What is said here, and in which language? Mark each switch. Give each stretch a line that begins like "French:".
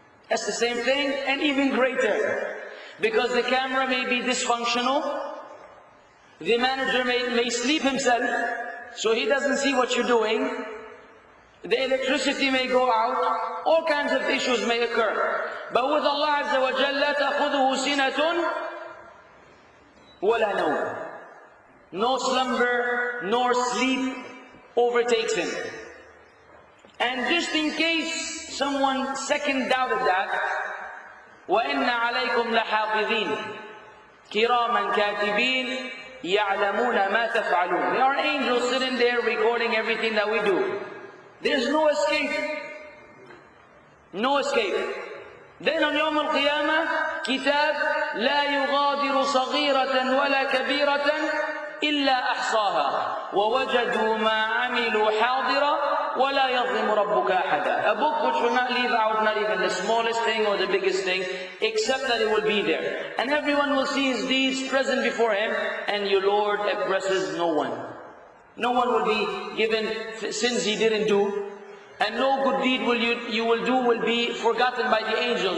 English: That's the same thing, and even greater. Because the camera may be dysfunctional, the manager may sleep himself, so he doesn't see what you're doing, the electricity may go out, all kinds of issues may occur. But with
Arabic: Allah عز وجل, لا تأخذه سنة ولا نوم.
English: No slumber nor sleep overtakes him. And just in case someone second doubted that,
Arabic: وَإِنَّ عَلَيْكُمْ لَحَافِظِينَ كِرَامًا كَاتِبِينَ يَعْلَمُونَ مَا تَفْعَلُونَ.
English: There are angels sitting there recording everything that we do. There's no escape. No escape. Then on
Arabic: يوم القيامة, كِتَاب لَا يُغَادِرُ صَغِيرَةً وَلَا كَبِيرَةً إلا أحصاها ووجدوا ما عملوا حاضرا ولا يظلم ربك أحدا.
English: A book which will not leave out not even the smallest thing or the biggest thing, except that it will be there. And everyone will see his deeds present before him, and your Lord oppresses no one. No one will be given sins he didn't do, and no good deed you will do will be forgotten by the angels.